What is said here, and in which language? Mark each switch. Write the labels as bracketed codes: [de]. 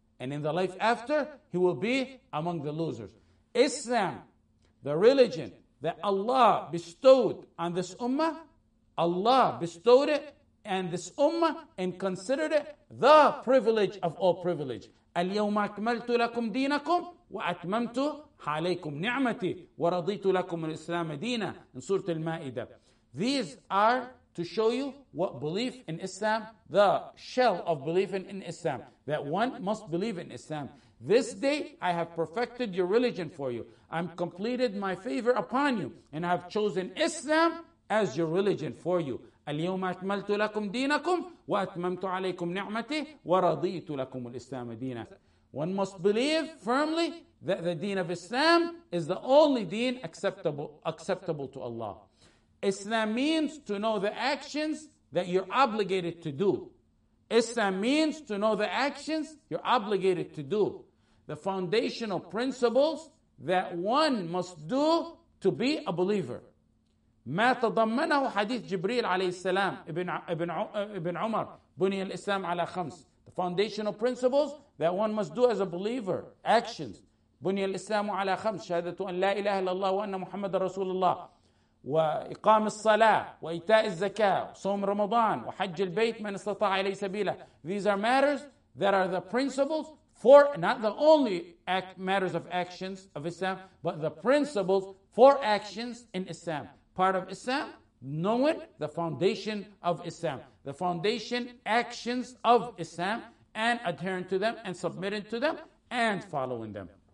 [en] And in the life after, he will be among the losers. Islam, the religion that Allah bestowed on this ummah, Allah bestowed it, and this ummah, and considered it the privilege of all privilege. [ar] اليوم أكملت لكم دينكم وأتممت عليكم نعمتي ورضيت لكم الإسلام دينا. [en] In Surah Al-Ma'idah. These are to show you what belief in Islam, the shell of belief in Islam, that one must believe in Islam. This day I have perfected your religion for you. I've completed my favor upon you, and I have chosen Islam as your religion for you. [ar] اليوم أكملت لكم دينكم وأتممت عليكم نعمتي ورضيت لكم الإسلام دينا. [en] One must believe firmly that the deen of Islam is the only deen acceptable to Allah. Islam means to know the actions that you're obligated to do. Islam means to know the actions you're obligated to do. The foundational principles that one must do to be a believer. [ar] ما تضمنه حديث جبريل عليه السلام ابن عمر بني الإسلام على خمس. [en] The foundational principles that one must do as a believer. [ar] Actions. بني الإسلام على خمس. شهادة أن لا إله إلا الله وأن محمد رسول الله. وإقام الصلاة وإيتاء الزكاة. صوم رمضان وحج البيت من استطاع إليه سبيله. [en] These are matters that are the principles for, not the only matters of actions of Islam, but the principles for actions in Islam. Part of Islam, knowing the foundation of Islam, the foundation actions of Islam, and adhering to them, and submitting to them, and following them.